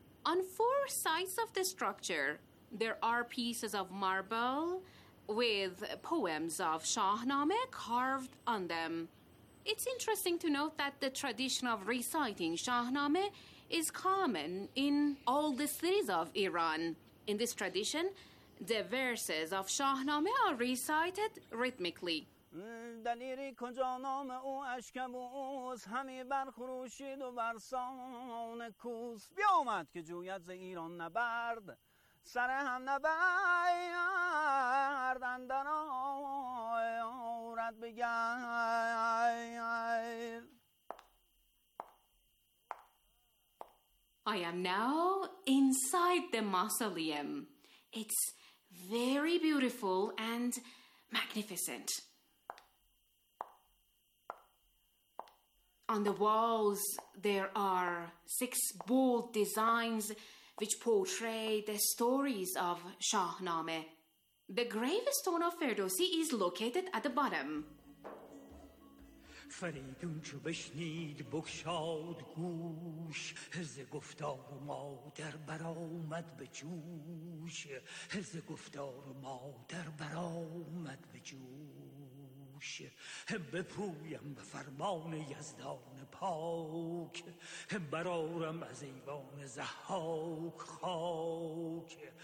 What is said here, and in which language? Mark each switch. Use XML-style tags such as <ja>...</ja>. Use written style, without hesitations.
<en>On four sides of the structure, there are pieces of marble with poems of Shahnameh carved on them. It's interesting to note that the tradition of reciting Shahnameh is common in all the cities of Iran. In this tradition, the verses of Shahnameh are recited rhythmically.</en> <fa>دلیری کجا نام او اشکبوس همی برخروشید و برسان کوس بیامد که جوید ز ایران نبرد سر هم نبرد اندر آورد بگرد.</fa> <en>I am now inside the mausoleum. It's very beautiful and magnificent. On the walls, there are six bold designs which portray the stories of Shahnameh. The gravestone of Ferdowsi is located at the bottom.</en> <fa>فریدون چو بشنید بکشاد گوش ز گفتار مادر برآمد به جوش ز گفتار مادر برآمد به جوش بپویم به فرمان یزدان پاک برآرم از ایوان ضحاک خاک</fa>